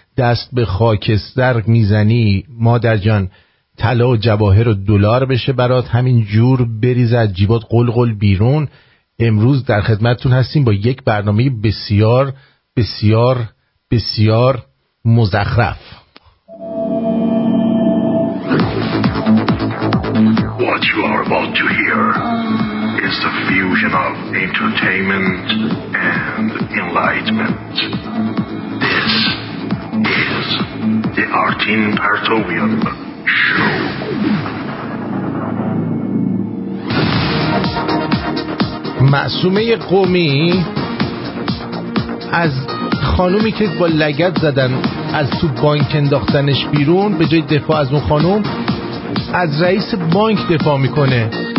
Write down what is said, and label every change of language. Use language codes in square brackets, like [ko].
[fa] دست به خاکستر میزنی مادر جان، طلا و جواهر و دلار بشه برات، همین جور بریز از جیبات قلقل بیرون. امروز در خدمتتون هستیم با یک برنامه بسیار بسیار بسیار مزخرف. [en] What you are about to hear is the fusion of entertainment and enlightenment. This is the Artin Partovian Show. [fa] معصومه قومی از خانومی که با لگد زدن از تو بانک انداختنش بیرون، به جای دفاع از اون خانوم از رئیس بانک دفاع میکنه.